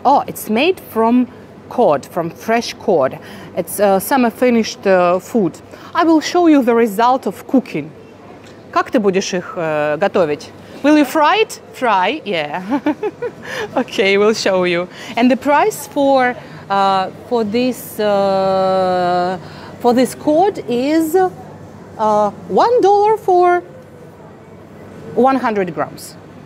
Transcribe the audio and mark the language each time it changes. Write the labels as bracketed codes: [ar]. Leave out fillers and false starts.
[en] Oh, it's made from cod, from fresh cod. It's summer finished food. I will show you the result of cooking. [ru] Как ты будешь их готовить? [en] Will you fry it? Fry, yeah. Okay, we'll show you. And the price for this cod is $1 for 100 grams.